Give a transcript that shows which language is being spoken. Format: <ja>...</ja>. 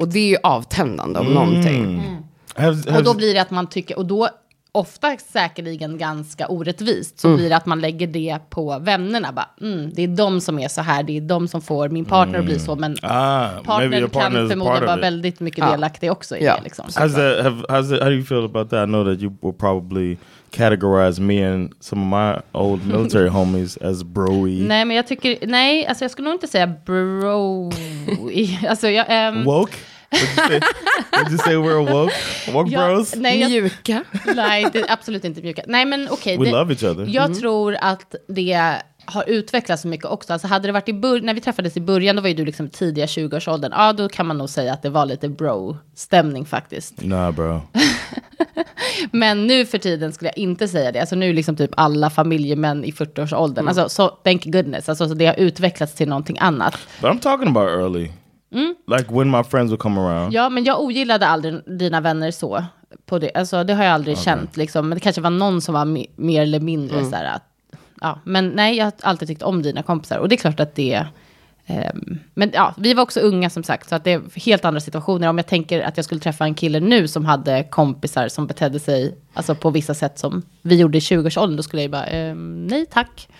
<sv>Och det är ju avtändande om någonting. Och då blir det att man tycker, och då ofta säkerligen ganska orättvist så blir det att man lägger det på vännerna, bara, det är de som är så här, det är de som får min partner att bli så, men partner kan förmodligen vara väldigt mycket delaktig också i det liksom.</sv> <en>How do you feel about that? I know that you will probably categorize me and some of my old military homies as bro-y.</en> <sv>Nej, men jag tycker, nej, alltså jag skulle nog inte säga bro-y. Alltså jag</sv> <en>woke? Did you say we're woke? Woke bros?</en> <sv>Nej, mjuka. Nej, det är absolut inte mjuka. Nej, men okej.</sv> <en>Okay, we love each other.</en> <sv>Jag tror att det har utvecklats så mycket också. Alltså hade det varit när vi träffades i början, då var ju du liksom tidiga 20-årsåldern. Ja, då kan man nog säga att det var lite bro-stämning faktiskt.</sv> <en>Nah, bro.</en> <sv>Men nu för tiden skulle jag inte säga det. Alltså nu liksom typ alla familjemän i 40-årsåldern. Mm. Alltså,</sv> <en>so, thank goodness.</en> <sv>Alltså så det har utvecklats till någonting annat.</sv> <en>But I'm talking about early. Like when my friends would come around.</en> <sv>Ja, men jag ogillade aldrig dina vänner så på det. Alltså det har jag aldrig känt liksom. Men det kanske var någon som var mer eller mindre så här att, ja. Men nej, jag har alltid tyckt om dina kompisar. Och det är klart att det Men ja, vi var också unga som sagt, så att det är helt andra situationer. Om jag tänker att jag skulle träffa en kille nu som hade kompisar som betedde sig, alltså på vissa sätt som vi gjorde i 20-årsåldern, då skulle jag ju bara, nej tack.</sv>